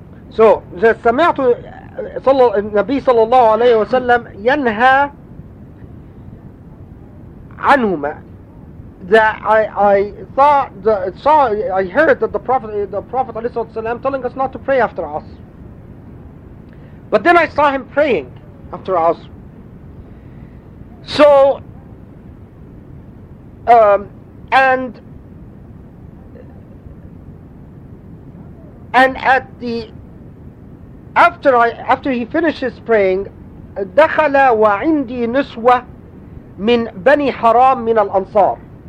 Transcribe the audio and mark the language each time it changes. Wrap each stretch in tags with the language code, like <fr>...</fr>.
<en>So, the</en> <ar>سمعت النبي صلى الله عليه وسلم ينهى عنهما.</ar> <en>I heard that the Prophet ﷺ telling us not to pray after Asr. But then I saw him praying after Asr. So, and at the after he finishes praying,</en> <ar>دخل وعندي نسوة من بني حرام من الأنصار.</ar>